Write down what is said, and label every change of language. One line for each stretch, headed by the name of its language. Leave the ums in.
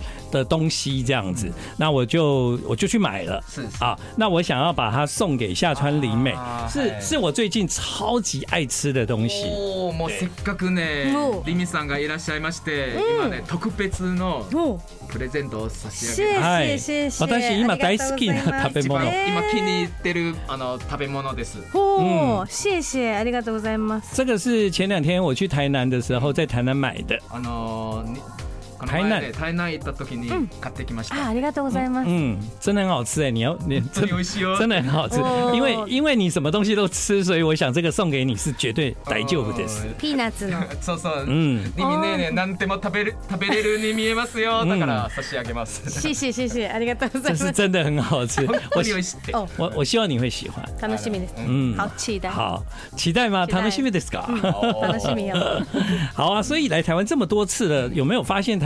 Chinese: 的东西这样子，那我就我就去买了，是,是啊，那我想要把它送给夏川里美，啊、是是我最近超级爱吃的东西。
Japanese: 哦，もうせっかくね、さんがいらっしゃいまして、今ね特別のプレゼント差し上げ、嗯、はい、私今大好きな食べ物、 今気に入ってるあの食べ物です。ありがとうございます。
Chinese: 这个是前两天我去台南的时候在台南买的。
Japanese: あの。台南台南行った時に買ってきました。ありがとうございます。
Chinese: 嗯，真的很好吃哎，你要你真的真的很好吃，因为因为你什么东西都吃，う以我想这个送给你是绝对
Japanese: 大丈夫です。ピーナッツの。そうそう。嗯。你ね、なんでも食べる食うれるに見えますよ。だから差し上げます。
Chinese: 谢谢谢谢，
Japanese: ありがとうございます。
Chinese: 这是真的很好吃，我我我希望你会喜欢。
Japanese: 楽しみです。嗯，
Chinese: 好期待。好期待吗？
Japanese: 楽しみですか？楽しみよ。
Chinese: 好啊，所以来台湾这么多次了，有没有发现台？